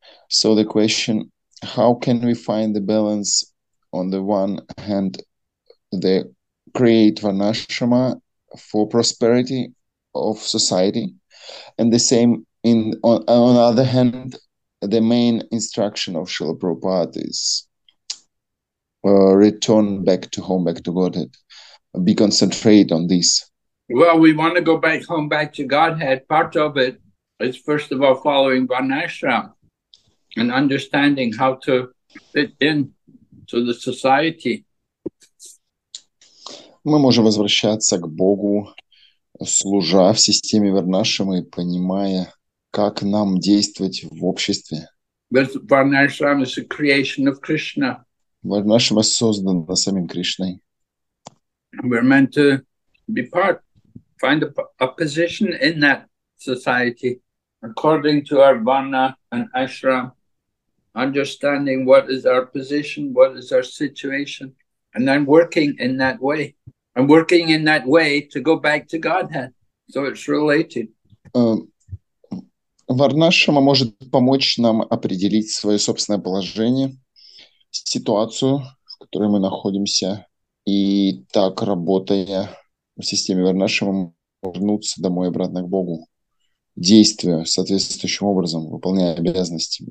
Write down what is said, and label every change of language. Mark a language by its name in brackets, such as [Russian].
[English] So the question, how can we find the balance on the one hand, the create Varnashrama for prosperity of society, and the same on the other hand, the main instruction of Srila Prabhupada is return back to home, back to Godhead, be concentrated on this. Well, we want to go back home, back to Godhead. Part of it is, first of all, following Varnashram and understanding how to fit in to the society. [Russian] Мы можем возвращаться к Богу, служа в системе Варнашрамы, понимая, как нам действовать в обществе. [English] Варнашрама is a creation of Krishna. [Russian] Варнашрама создана самим Кришной. [English] We're meant to be part, find a position in that society according to our Varna and Ashram, understanding what is our position, what is our situation, and then working in that way. I'm working in that way to go back to Godhead. So it's related. [Russian] Варнашрама может помочь нам определить свое собственное положение, ситуацию, в которой мы находимся, и так, работая в системе Варнашрама, вернуться домой обратно к Богу, действуя соответствующим образом, выполняя обязанности.